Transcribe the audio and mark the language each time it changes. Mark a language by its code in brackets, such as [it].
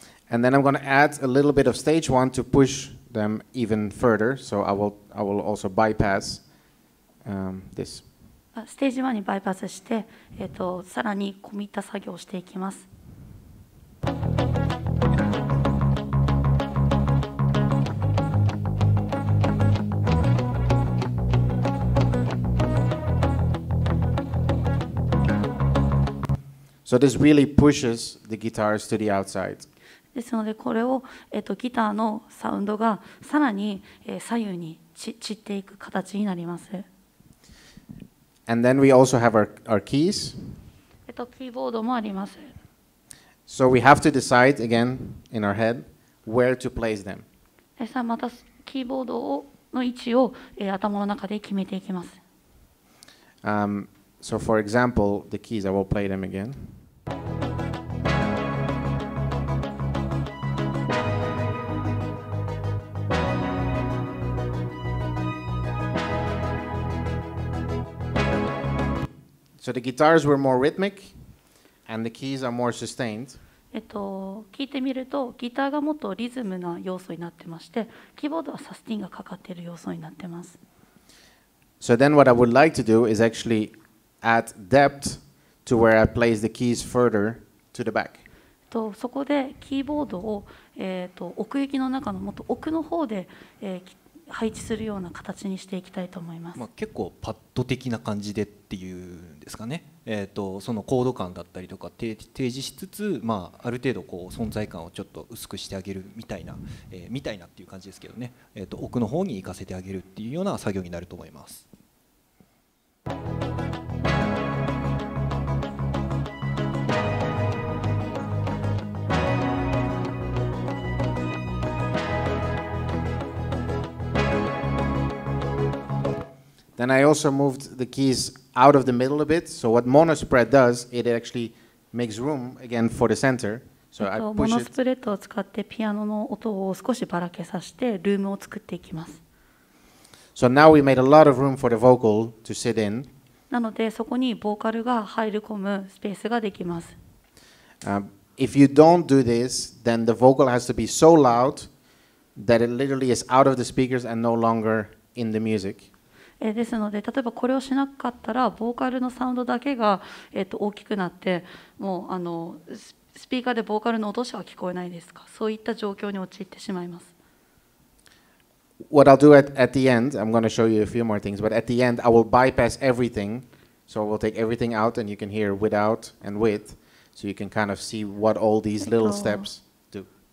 [en] And then I'm going to add a little bit of stage one to push them even further. So I will also bypass this. [ja] ステージ1にバイパスして、さらに込み入った作業をしていきます。 [en] So this really pushes the guitars to the outside. [ja] ですのでこれを、ギターのサウンドがさらに、左右に散っていく形になります。 [en] And then we also have our keys. [ja] キーボードもあります。 [en] So we have to decide again in our head where to place them. [ja] さあまたキーボードの位置を、頭の中で決めていきます。 [en] So for example, the keys, I will play them again. So the guitars were more rhythmic, and the keys are more sustained. [ja] 聞いてみると、ギターがもっとリズムな要素になってまして、キーボードはサスティンがかかっている要素になってます。 [en] So then what I would like to do is actually add depth to where I place the keys further to the back. [ja] そこでキーボードを、奥行きの中のもっと奥の方で、配置するような形にしていきたいと思います。まあ、結構パッド的な感じでっていうんですかね。そのコード感だったりとか提示しつつ、まあ、ある程度こう存在感をちょっと薄くしてあげるみたいな、みたいなっていう感じですけどね。奥の方に行かせてあげるっていうような作業になると思います。 [en] Then I also moved the keys out of the middle a bit. So what monospread does, it actually makes room again for the center. So I push it. [ja] Monospread を使ってピアノの音を少しばらけさせてルームを作っていきます。 [en] So now we made a lot of room for the vocal to sit in. [ja] なのでそこにボーカルが入り込むスペースができます。 [en] If you don't do this, then the vocal has to be so loud that it literally is out of the speakers and no longer in the music. [ja] ですので、例えばこれをしなかったら、ボーカルのサウンドだけが大きくなって、もうスピーカーでボーカルの音しか聞こえないですか。そういった状況に陥ってしまいます。 [en] What I'll do at the end, I'm going to show you a few more things, but at the end, I will bypass everything. So I will take everything out and you can hear without and with, so you can kind of see what all these little steps do.